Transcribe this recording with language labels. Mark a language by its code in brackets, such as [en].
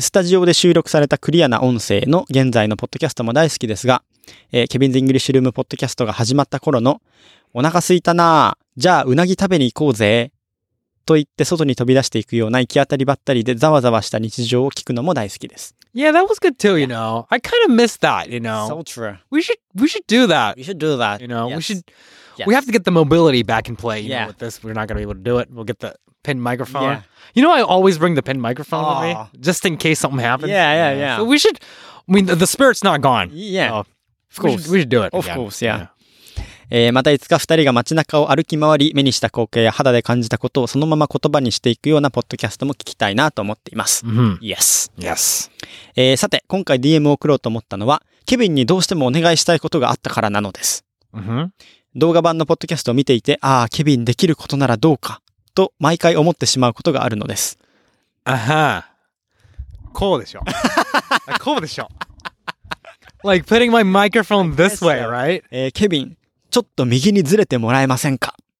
[ja] スタジオで収録されたクリアな音声の現在のポッドキャストも大好きですが、ケビンズ・イングリッシュルームポッドキャストが始まった頃のお腹すいたなぁ、じゃあうなぎ食べに行こうぜ。と言って外に飛び出していくような行き当たりばったりでざわざわした日常を聞くのも大好きです。 [en] Yeah, that was good too, you know. I kind of miss that, you know. So true. We should do that. We should do that. You know, yes. We have to get the mobility back in play. You know, with this, we're not going to be able to do it. We'll get the pin microphone. Yeah. You know, I always bring the pin microphone with me just in case something happens. Yeah. So we should, I mean, the spirit's not gone. Yeah. Of course. We should do it. Of course, yeah. [ja] またいつか二人が街中を歩き回り目にした光景や肌で感じたことをそのまま言葉にしていくようなポッドキャストも聞きたいなと思っています。 Mm-hmm. [en] Yes. Yes. [ja] さて、今回 DM を送ろうと思ったのは、ケビンにどうしてもお願いしたいことがあったからなのです。 Mm-hmm. 動画版のポッドキャストを見ていて、ああ、ケビンできることならどうか、と毎回思ってしまうことがあるのです。あは。こうでしょ。こうでしょ。 [en] Like putting my microphone this way, right? [ja] ケビン。ちょっと右にずれてもらえませんか?